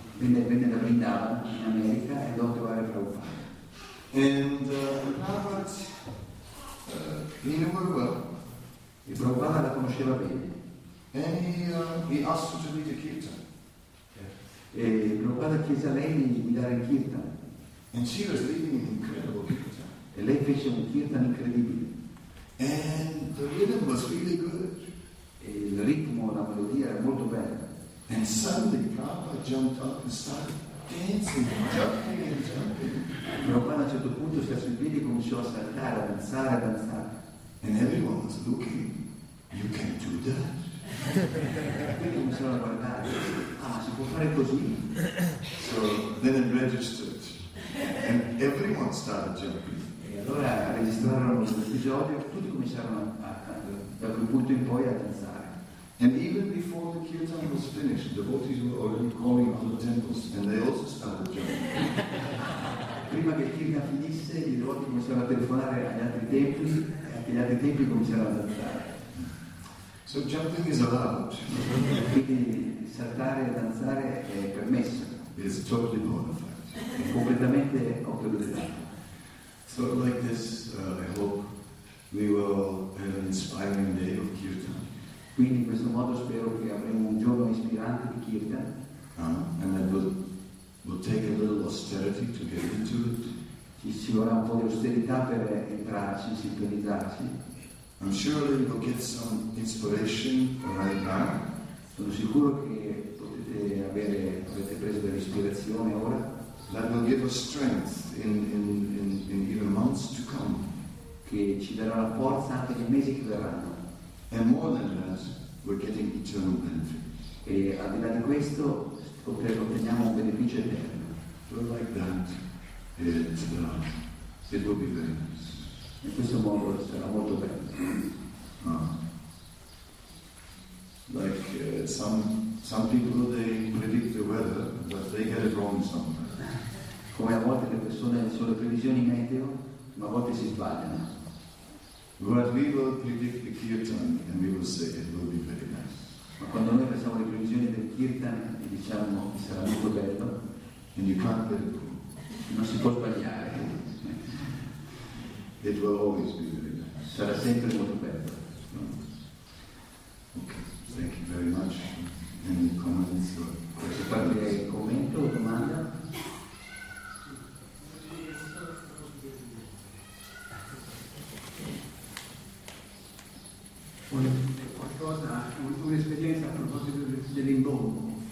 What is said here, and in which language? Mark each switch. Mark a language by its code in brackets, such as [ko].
[it] Venne da Vrindavan in America e dopo era Prabhupada. E Prabhupada la conosceva bene. [en] And he asked her to lead a kirtan. [it] E Prabhupada chiese a lei di guidare il kirtan. [en] And she was leading an incredible kirtan. [it] E lei fece un kirtan incredibile. [en] And the rhythm was really good. [it] E il ritmo, la melodia era molto bella. [en] And suddenly Prabhupada jumped up and started dancing, jumping and jumping. [it] Prabhupada a certo punto si alzò in piedi e cominciò a saltare, a danzare, a danzare. [en] And everyone was looking, you can do that. [it] Quindi cominciavano a guardare, ah, si può fare così. [en] So then it registered. And everyone started jumping. [it] E allora registrarono l'episodio e tutti cominciarono da quel punto in poi a danzare. [en] And even before the kirtan was finished, the devotees were already calling on the temples, and they also started jumping. [it] Prima che il kirtan finisse, i devoti cominciarono a telefonare agli altri templi, e anche gli altri templi cominciarono a danzare. [en] So jumping is allowed. [it] Quindi saltare e danzare è permesso. [en] It is totally bona fide. [it] È completamente autorizzato. [en] So like this, I hope we will have an inspiring day of kirtan. [it] Quindi in questo modo spero che avremo un giorno ispirante di kirtan. [en] And then we'll take a little austerity to get into it. [it] Ci vorrà un po' di austerità per entrarci, sintonizzarci. [en] I'm sure that you'll get some inspiration right now. [it] Sono sicuro che avete preso dell'ispirazione ora. [en] That will give us strength in even months to come. [it] Che ci darà la forza anche nei mesi che verranno. [en] And more than that, we're getting eternal benefits. [it] E al di là di questo, otteniamo un beneficio eterno. [en] So like that, it will be very nice. [it] In questo modo sarà molto bello. [en] Like some people, they predict the weather, but they get it wrong sometimes. [it] Come a volte le persone sulle previsioni meteo, ma a volte si sbagliano. [en] But we will predict the kirtan and we will say it will be very nice. [it] Ma quando noi facciamo le previsioni del kirtan e diciamo che sarà molto bello, [en] and you can't get it wrong. [it] Non si può sbagliare. [en] It will always be very nice. [it] Sarà sempre molto bello. [en] Okay, thank you very much. Any comments or questions? [it] Qualche commento o domanda? Qualcosa, un'esperienza a proposito dell'imbombo.